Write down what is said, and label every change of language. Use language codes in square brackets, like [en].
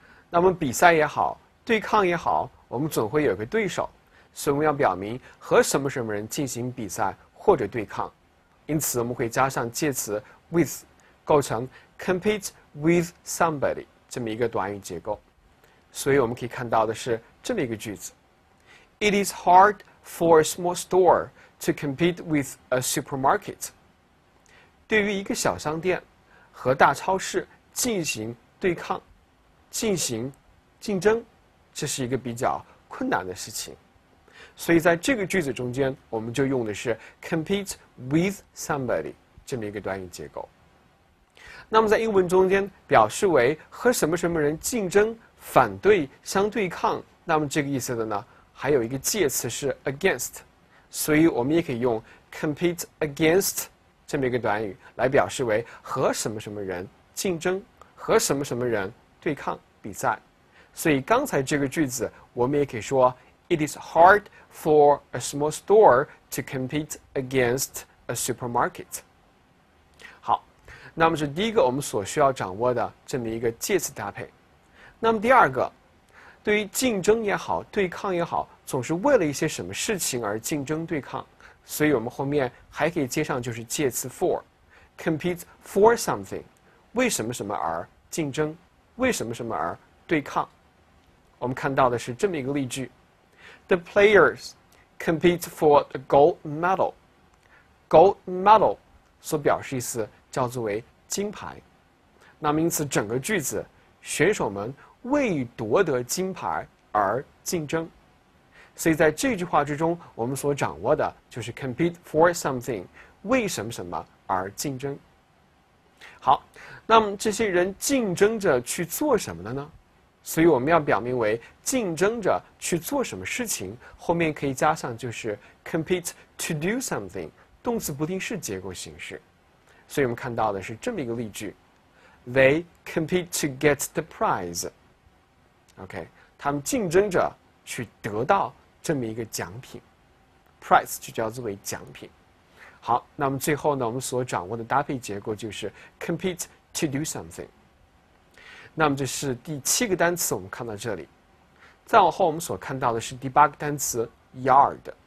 [zh] 那么比赛也好对抗也好，我们总会有个对手，所以我们要表明和什么什么人进行比赛或者对抗，因此我们会加上介词 with， 构成 [en] compete with somebody [zh] 这么一个短语结构。所以我们可以看到的是这么一个句子 [en] ：It is hard for a small store to compete with a supermarket。 [zh] 对于一个小商店和大超市进行对抗、进行竞争，这是一个比较困难的事情。所以在这个句子中间，我们就用的是 [en] compete with somebody [zh] 这么一个短语结构。那么在英文中间表示为和什么什么人竞争、反对、相对抗，那么这个意思的呢，还有一个介词是 against， 所以我们也可以用 compete against 这么一个短语来表示为和什么什么人竞争、和什么什么人对抗、比赛。所以刚才这个句子我们也可以说 [en] It is hard for a small store to compete against a supermarket. [zh] 好，那么是第一个我们所需要掌握的这么一个介词搭配。那么第二个，对于竞争也好，对抗也好，总是为了一些什么事情而竞争对抗，所以我们后面还可以接上就是介词 for， [en] competes for something, [zh] 为什么什么而竞争，为什么什么而对抗。我们看到的是这么一个例句。 [en] The players compete for the gold medal. [zh] Gold medal 所表示意思叫作为金牌。那么因此整个句子，选手们为夺得金牌而竞争。所以在这句话之中，我们所掌握的就是 [en] compete for something, [zh] 为什么什么而竞争。好，那么这些人竞争着去做什么了呢？所以我们要表明为竞争着去做什么事情，后面可以加上就是 [en] compete to do something, [zh] 动词不定式结构形式。所以我们看到的是这么一个例句。 [en] They compete to get the prize. [zh] OK, 他们竞争着去得到这么一个奖品。 Prize 就叫作为奖品。好，那么最后呢，我们所掌握的搭配结构就是 [en] compete to do something。 [zh] 那么这是第七个单词，我们看到这里。再往后我们所看到的是第八个单词 yard。